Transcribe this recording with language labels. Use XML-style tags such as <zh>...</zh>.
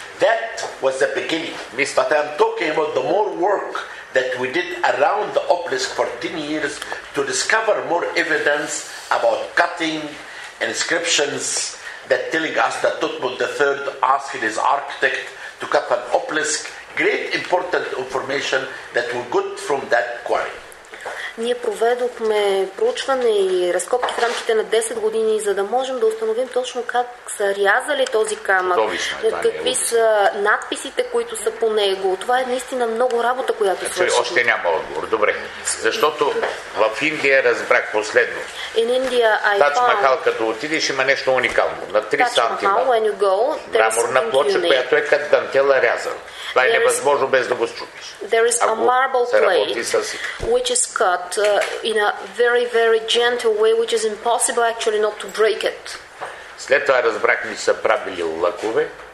<en>That was the beginning. But I'm talking about the more work that we did around the obelisk for 10 years to discover more evidence about cutting inscriptions that telling us that Thutmose III asked his architect to cut an obelisk. Great important information that we got from that quarry.</en> <bg>Ние проведохме проучване и разкопки в рамките на 10 години, за да можем да установим точно как са рязали този камък, какви са надписите, които са по него. Това е наистина много работа, която свършихме. Още няма отговор. Добре. Защото в Индия разбрах последно.</bg> <en>In India,</en> <bg>Тадж Махал, като отидеш, има нещо уникално. На 3 сантима. Мраморна плоча, която е като дантела рязана. Това е невъзможно без да го счупиш.</bg> <en>There is a marble plate which is cut in a very, very gentle way, which is impossible actually not to break it.</en> <bg>След това разбрахме, че са правили лъкове.</bg>